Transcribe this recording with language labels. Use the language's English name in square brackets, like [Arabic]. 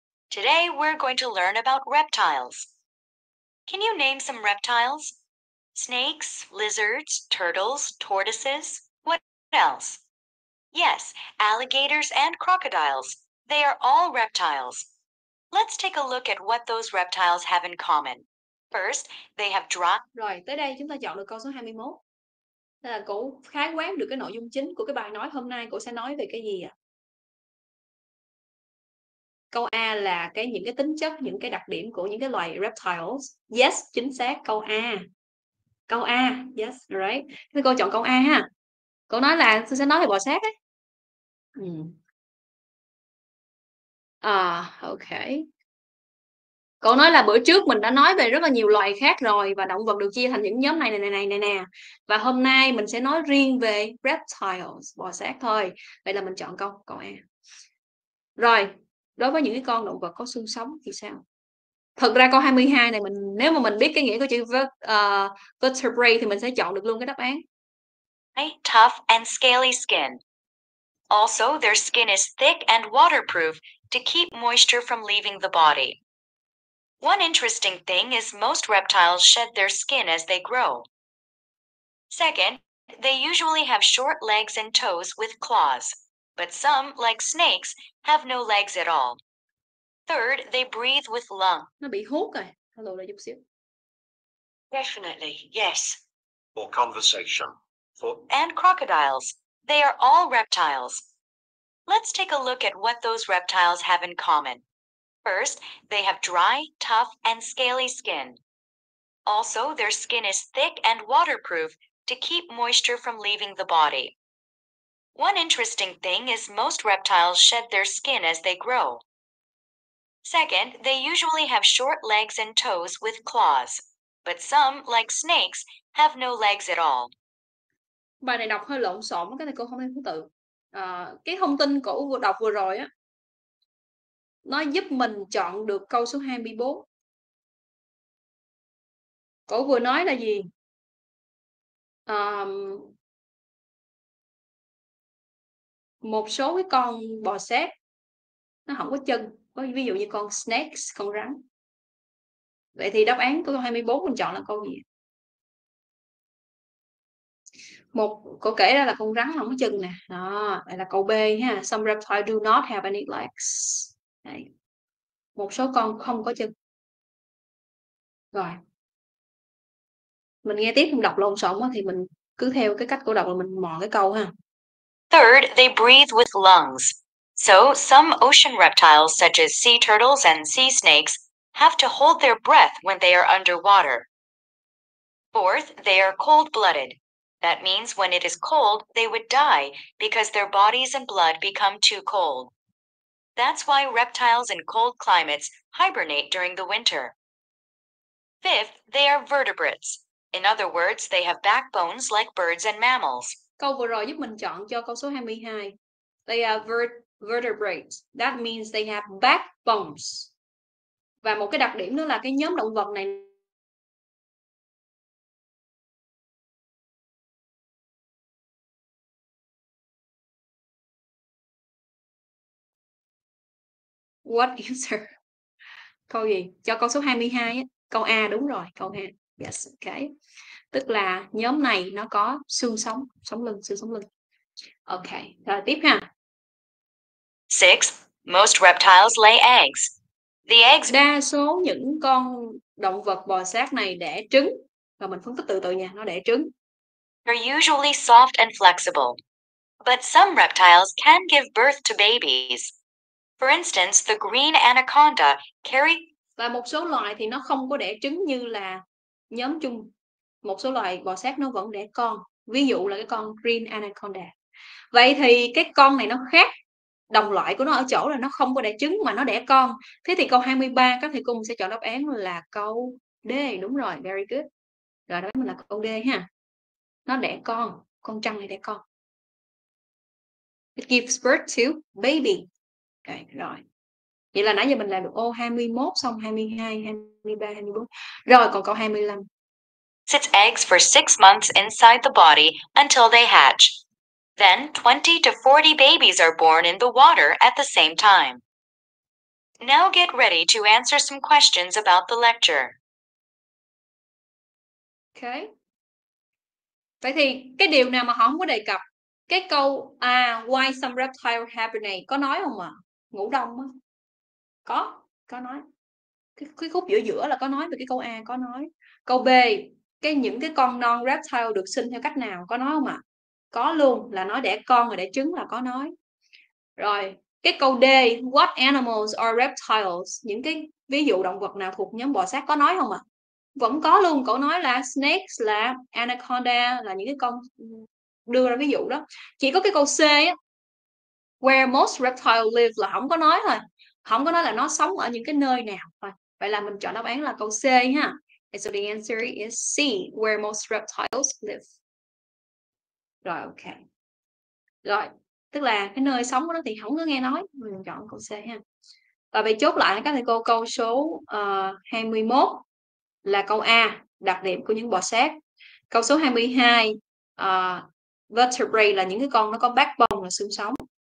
[English] Today, we're going to learn about reptiles. Can you name some reptiles? Snakes, lizards, turtles, tortoises, what else? Yes, alligators and crocodiles. They are all reptiles. Let's take a look at what those reptiles have in common. First, they have [Vietnamese] Rồi, tới đây chúng ta chọn được câu số 21. Thế là cổ khái quát được cái nội dung chính của cái bài nói hôm nay, cổ sẽ nói về cái gì ạ? Câu A là cái những cái tính chất, những cái đặc điểm của những cái loài reptiles. Yes, chính xác, câu A. Câu A, yes, right. Thế cô chọn câu A ha. Cô nói là tôi sẽ nói về bò sát ấy. Ok. Cậu nói là bữa trước mình đã nói về rất là nhiều loài khác rồi, và động vật được chia thành những nhóm này này này này nè. Và hôm nay mình sẽ nói riêng về reptiles, bò sát thôi. Vậy là mình chọn câu A. Rồi, đối với những cái con động vật có xương sống thì sao? Thực ra câu 22 này, mình nếu mà mình biết cái nghĩa của chữ vertebrae thì mình sẽ chọn được luôn cái đáp án. [English] Tough and scaly skin. Also, their skin is thick and waterproof to keep moisture from leaving the body. One interesting thing is most reptiles shed their skin as they grow. Second, they usually have short legs and toes with claws, but some, like snakes, have no legs at all. Third, they breathe with lung. [Vietnamese] Nó bị hút rồi. Hello, đợi chút xíu. [English] Definitely, yes. For conversation. For... And crocodiles. They are all reptiles. Let's take a look at what those reptiles have in common. First, they have dry, tough, and scaly skin. Also, their skin is thick and waterproof to keep moisture from leaving the body. One interesting thing is most reptiles shed their skin as they grow. Second, they usually have short legs and toes with claws. But some, like snakes, have no legs at all. [Vietnamese] Bài này đọc hơi lộn xộn, cái này cô không lên thứ tự. Cái thông tin cổ vừa đọc vừa rồi á, nó giúp mình chọn được câu số 24. Cổ vừa nói là gì? Một số cái con bò sát nó không có chân, có ví dụ như con snakes, con rắn. Vậy thì đáp án của câu 24 mình chọn là câu gì? Một, cô kể ra là con rắn không có chân nè. Đó, đây là câu B ha. Some reptiles do not have any legs. Đây. Một số con không có chân. Rồi. Mình nghe tiếp, mình đọc lộn xộn quá thì mình cứ theo cái cách cô đọc là mình mò cái câu ha. [English] Third, they breathe with lungs. So, some ocean reptiles such as sea turtles and sea snakes have to hold their breath when they are underwater. Fourth, they are cold-blooded. That means when it is cold, they would die because their bodies and blood become too cold. That's why reptiles in cold climates hibernate during the winter. Fifth, they are vertebrates. In other words, they have backbones like birds and mammals. [Vietnamese] Câu vừa rồi giúp mình chọn cho câu số 22. They are vertebrates. That means they have backbones. Và một cái đặc điểm nữa là cái nhóm động vật này What answer? Câu gì? Cho câu số 22 á. Câu A đúng rồi. Câu A. Yes. Okay. Tức là nhóm này nó có xương sống. Sống lưng. Xương sống lưng. Okay. Rồi tiếp ha. [English] Six. Most reptiles lay eggs. The eggs... [Vietnamese] Đa số những con động vật bò sát này đẻ trứng. Và mình phân tích từ từ nha. Nó đẻ trứng. [English] They're usually soft and flexible. But some reptiles can give birth to babies. For instance, the green anaconda carry... [Vietnamese] Và một số loài thì nó không có đẻ trứng như là nhóm chung. Một số loài bò sát nó vẫn đẻ con. Ví dụ là cái con green anaconda. Vậy thì cái con này nó khác. Đồng loại của nó ở chỗ là nó không có đẻ trứng mà nó đẻ con. Thế thì câu 23 các thầy cô sẽ chọn đáp án là câu D. Đúng rồi, very good. Rồi đáp án là câu D ha. Nó đẻ con trăn này đẻ con. [English] It gives birth to baby. Okay, rồi. [Vietnamese] Vậy là nãy giờ mình làm được ô 21 xong 22, 23, 24. Rồi còn câu 25. [English] Sits eggs for 6 months inside the body until they hatch. Then 20 to 40 babies are born in the water at the same time. Now get ready to answer some questions about the lecture. Okay. [Vietnamese] Vậy thì cái điều nào mà họ không có đề cập? Cái câu à, why some reptiles hibernate có nói không ạ? Ngủ đông á. Có nói. Cái khúc giữa là có nói về cái câu A có nói. Câu B, cái những cái con non reptile được sinh theo cách nào có nói không ạ? Có luôn, là nói đẻ con rồi đẻ trứng là có nói. Rồi, cái câu D, what animals are reptiles? Những cái ví dụ động vật nào thuộc nhóm bò sát có nói không ạ? Vẫn có luôn, cậu nói là snakes, là anaconda, là những cái con đưa ra ví dụ đó. Chỉ có cái câu C, where most reptiles live, là không có nói thôi. Không có nói là nó sống ở những cái nơi nào. Vậy là mình chọn đáp án là câu C ha. [English] And so the answer is C, where most reptiles live. [Vietnamese] Rồi, ok. Rồi, tức là cái nơi sống của nó thì không có nghe nói. Mình chọn câu C ha. Và vậy chốt lại các thầy cô, câu số 21 là câu A, đặc điểm của những bò sát. Câu số 22, vertebrae là những cái con nó có backbone, là xương sống.